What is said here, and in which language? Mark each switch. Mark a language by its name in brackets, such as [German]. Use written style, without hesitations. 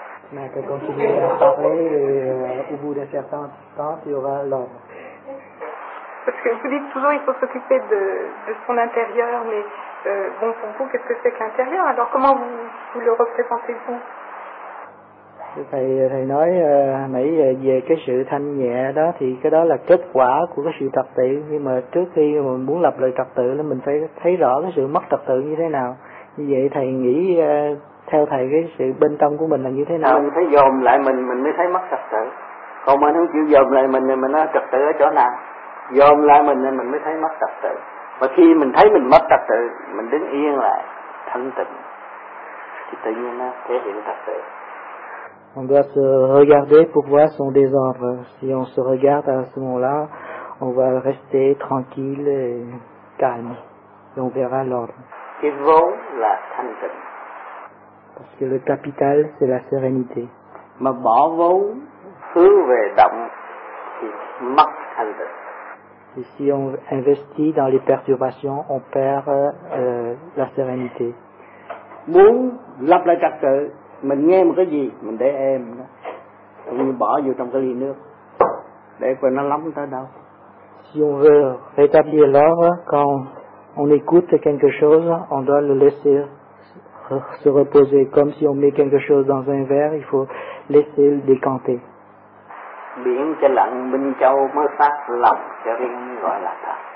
[French] Mais que continuer à parler et au bout d'un certain temps, il y aura l'ordre. Parce que vous dites toujours qu'il faut s'occuper de son intérieur, mais bon, pour vous, qu'est-ce que c'est que l'intérieur? Alors comment vous le représentez-vous? [Vietnamese] Thầy nói nãy về cái sự thanh nhẹ đó, thì cái đó là kết quả của cái sự trật tự. Nhưng mà trước khi mà muốn lập lại trật tự, thì mình phải thấy rõ cái sự mất trật tự như thế nào. Như vậy thầy nghĩ... theo thầy cái sự bên trong của mình là như thế nào? Mình phải dồn lại mình mới thấy mất trật tự. Còn mình không chịu dồn lại mình thì mình nói trật tự ở chỗ nào? Dồn lại mình thì mình mới thấy mất trật tự. Và khi mình thấy mình mất trật tự, mình đứng yên lại, thanh tịnh. Thì tự nhiên nó thể hiện trật tự. [French] On doit se regarder pour voir son désordre. Si on se regarde à ce moment-là, on va rester tranquille et calme. Et on verra l'ordre. [Vietnamese] Cái vốn là thanh tịnh. [French] Parce que le capital, c'est la sérénité. [Vietnamese] Mà bỏ vốn hướng về động thì mất thanh tịnh. [French] Et si on investit dans les perturbations, on perd la sérénité. [Vietnamese] Muốn lập lại trật tự, mình nghe một cái gì, mình để êm đó. Cũng như bỏ vô trong cái ly nước, để coi nó lắm tới đâu. [French] Si on veut rétablir l'ordre, quand on écoute quelque chose, on doit le laisser se reposer, comme si on met quelque chose dans un verre, il faut laisser le décanter. [Vietnamese] Biển cho lặng, minh châu mới phát lòng cho riêng gọi là thật.